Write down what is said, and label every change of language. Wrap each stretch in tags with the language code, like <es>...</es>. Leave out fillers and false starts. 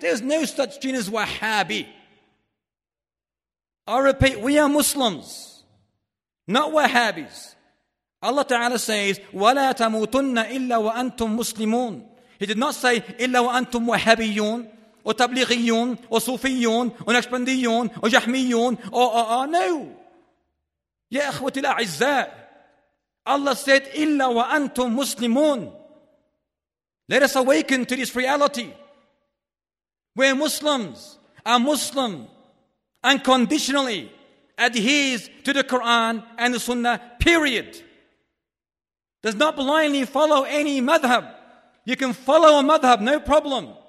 <en>There is no such thing as Wahhabi. I repeat, we are Muslims, not Wahhabis. Allah Ta'ala says,</en> <ar>وَلَا تَمُوتُنَّ إِلَّا وَأَنْتُمْ مُسْلِمُونَ.</ar> <en>He did not say,</en> <ar>إِلَّا وَأَنْتُمْ وَهَبِيُّونَ or تَبْلِغِيُّونَ or صُوفِيُّونَ or نَكْشْبَنْدِيُّونَ or جَحْمِيُّونَ</ar> <en>or no.</en> <ar>يَا أَخْوَةِ الْأَعِزَّاءِ.</ar> <en>Allah said,</en> <ar>إِلَّا وَأَنْتُمْ مُسْلِمُونَ.</ar> <en>Let us awaken to this reality. We're Muslims. A Muslim unconditionally adheres to the Quran and the Sunnah, period. Does not blindly follow any madhab. You can follow a madhab, no problem.</en>